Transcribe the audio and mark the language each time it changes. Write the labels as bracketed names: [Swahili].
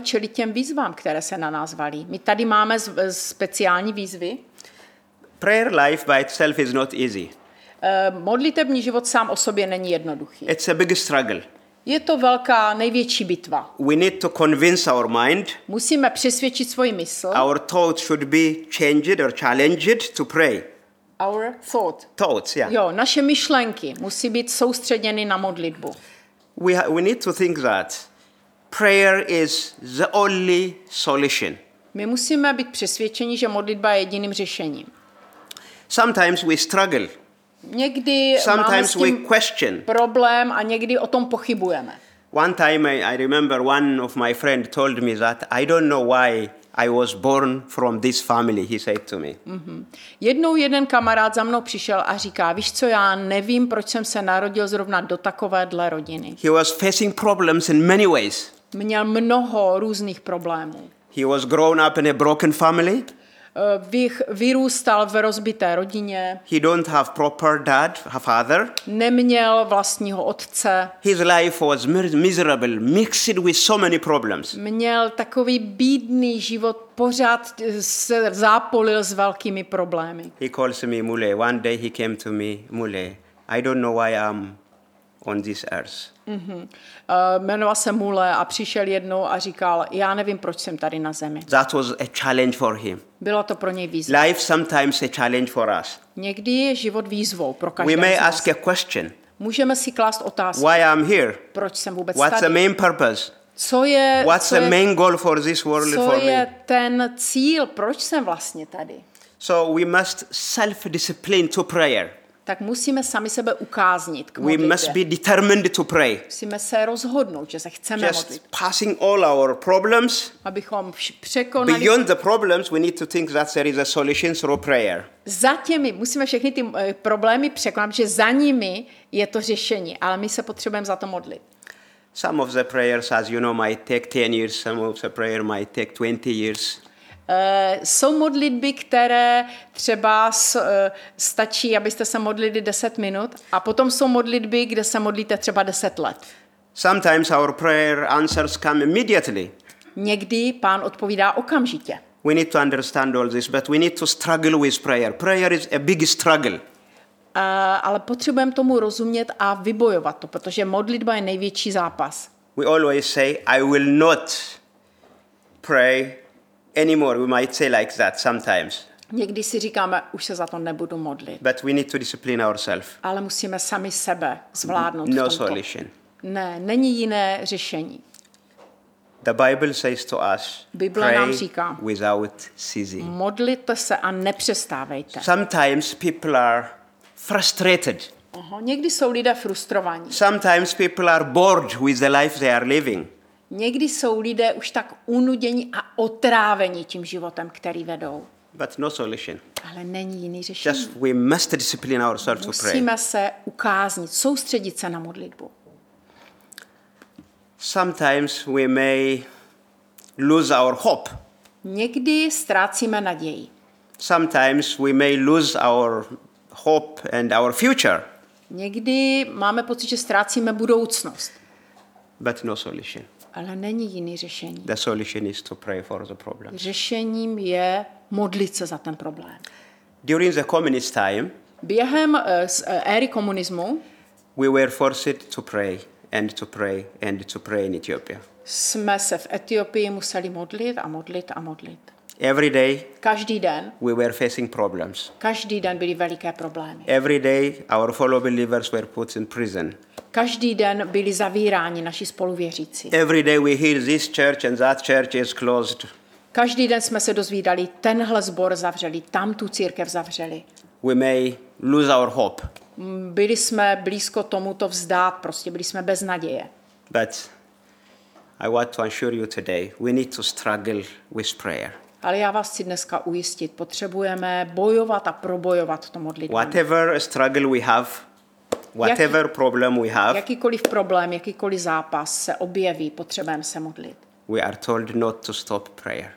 [Czech] čelit těm výzvám, které se na nás valí. My tady máme speciální výzvy. [English] Prayer life by itself is not easy. [Czech] Modlitební život sám o sobě není jednoduchý. [English] It's a big struggle. [Czech] Je to velká největší bitva. [English] We need to convince our mind. [Czech] Musíme přesvědčit svoji mysl. [English] Our thoughts should be changed or challenged to pray. Our thought. Thoughts, yeah. [Czech] Jo, naše myšlenky musí být soustředěny na modlitbu. [English] We need to think that prayer is the only solution. [Czech] My musíme být přesvědčeni, že modlitba je jediným řešením. [English] Sometimes we struggle. [Czech] Někdy [English] sometimes [Czech] máme s tím [English] we question. [Czech] Problém a někdy o tom pochybujeme. [English] One time I remember one of my friend told me that I don't know why I was born from this family, he said to me. [Czech] Jednou jeden kamarád za mnou přišel a říká, víš co, já nevím, proč jsem se narodil zrovna do takovéhle rodiny. [English] He was facing problems in many ways. [Czech] Měl mnoho různých problémů. [English] He was grown up in a broken family. [Czech] Vyrůstal v rozbité rodině. [English] He don't have proper dad, a father. [Czech] Neměl vlastního otce. [English] His life was miserable, mixed with so many problems. [Czech] Měl takový bídný život, pořád se zápolil s velkými problémy. [English] He calls me Mule. One day he came to me, Mule. I don't know why I'm on this earth. [Czech] Jmenoval se Mule a přišel jednou a říkal, já nevím, proč jsem tady na zemi. [English] That was a challenge for him. [Czech] Byla to pro něj výzva. [English] Life sometimes a challenge for us. [Czech] Někdy je život výzvou pro každého. [English] We may ask a question. [Czech] Můžeme si klást otázku. [English] Why I'm here? [Czech] Proč jsem vůbec [English] What's [Czech] tady? [English] What's the main purpose? [Czech] Co je [English] What's [Czech] co [English] the [Czech] je, [English] main goal for this world for me? [Czech] Co je ten cíl, proč jsem vlastně tady? [English] So we must self-discipline to prayer. [Czech] Tak musíme sami sebe ukáznit k modlitbě. [English] We must be determined to pray. [Czech] Musíme se rozhodnout, že se chceme [English] Just [Czech] modlit. [English] Passing all our problems. [Czech] Abychom překonali. [English] Beyond the problems, we need to think that there is a solution through prayer. [Czech] Za těmi musíme všechny ty problémy překonat, že za nimi je to řešení, ale my se potřebujeme za to modlit. [English] Some of the prayers, as you know, might take 10 years, some of the prayer might take 20 years. [Czech] Jsou modlitby, které třeba stačí, abyste se modlili 10 minut, a potom jsou modlitby, kde se modlíte třeba 10 let. [English] Sometimes our prayer answers come immediately. [Czech] Někdy Pán odpovídá okamžitě. [English] We need to understand all this, but we need to struggle with prayer. Prayer is a big struggle. [Czech] Ale potřebujeme tomu rozumět a vybojovat to, protože modlitba je největší zápas. [English] We always say, I will not pray anymore, we might say like that sometimes. [Czech] Někdy si říkáme, už se za to nebudu modlit. [English] But we need to discipline ourselves. [Czech] Ale musíme sami sebe zvládnout. [English] No solution. [Czech] Ne, není jiné řešení. [English] The Bible says to us, [Czech] Bible [English] pray [Czech] nám říká, [English] without ceasing. [Czech] Modlite se a nepřestávejte. [English] Sometimes people are frustrated. [Czech] Někdy jsou lidé frustrovaní. [English] Sometimes people are bored with the life they are living. [Czech] Někdy jsou lidé už tak unuděni a otráveni tím životem, který vedou. [English] But no solution. [Czech] Ale není jiný řešení. [English] Just we must discipline ourselves to pray. [Czech] Musíme se ukáznit, soustředit se na modlitbu. [English] Sometimes we may lose our hope. [Czech] Někdy ztrácíme naději. [English] Sometimes we may lose our hope and our future. [Czech] Někdy máme pocit, že ztrácíme budoucnost. [English] But no solution. [Czech] Ale není jiný řešení. [English] The solution is to pray for the problem. [Czech] Řešením je modlit se za ten problém. [English] During the communist time, [Czech] během éry komunismu, [English] we were forced to pray and to pray and to pray in Ethiopia. [Czech] jsme se v Etiopii museli modlit a modlit a modlit. [English] Every day. [Czech] Každý den. [English] We were facing problems. [Czech] Každý den byly veliké problémy. [English] Every day our fellow believers were put in prison. [Czech] Každý den byli zavíráni naši spoluvěřící. [English] Every day we hear this church and that church is closed. [Czech] Každý den jsme se dozvídali, tenhle sbor zavřeli, tam tu církev zavřeli. [English] We may lose our hope. [Czech] Byli jsme blízko tomu to vzdát, prostě byli jsme bez naděje. [English] But I want to assure you today, we need to struggle with prayer. [Czech] Ale já vás chci dneska ujistit, potřebujeme bojovat a probojovat to modlitbou. [English] Whatever struggle we have, whatever problem we have. [Czech] Jakýkoliv problém, jakýkoliv zápas se objeví, potřebujeme se modlit. [English] We are told not to stop prayer.